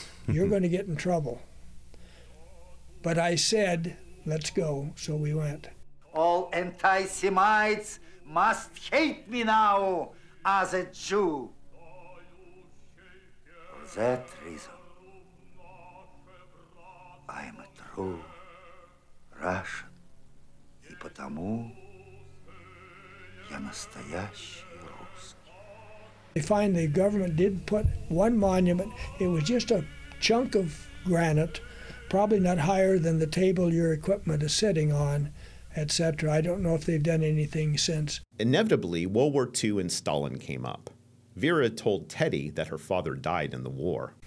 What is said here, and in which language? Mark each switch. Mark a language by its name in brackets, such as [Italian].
[English] You're going to get in trouble. But I said, let's go. So we went. All anti-Semites must hate me now as a Jew. For that reason, I am a true Russian. [Russian] И потому я настоящий русский. [English] They finally, the government did put one monument. It was just a chunk of granite, probably not higher than the table your equipment is sitting on, etc. I don't know if they've done anything since. Inevitably, World War II and Stalin came up. Vera told Teddy that her father died in the war.